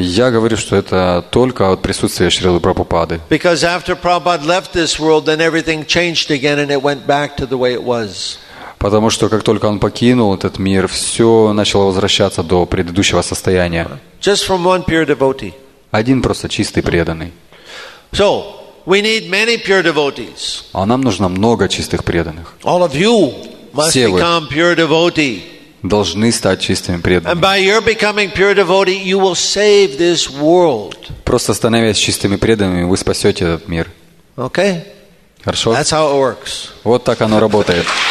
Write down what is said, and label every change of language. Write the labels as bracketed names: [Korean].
[Russian] Я говорю, что это только от присутствия Шрилы Прабхупады. [English] Because after Prabhupada left this world, then everything changed again and it went back to the way it was. [Russian] Потому что как только он покинул этот мир, все начало возвращаться до предыдущего состояния. [English] Just from one pure devotee. [Russian] Один просто чистый преданный. [English] So, we need many pure devotees. [Russian] А нам нужно много чистых преданных. [English] All of you must become pure devotee. [Russian] Должны стать чистыми преданными. [English] And by your becoming pure devotee, you will save this world. [Russian] Просто становясь чистыми преданными, вы спасете этот мир. [English] Okay. [Russian] Хорошо? [English] That's how it works. [Russian] Вот так оно работает.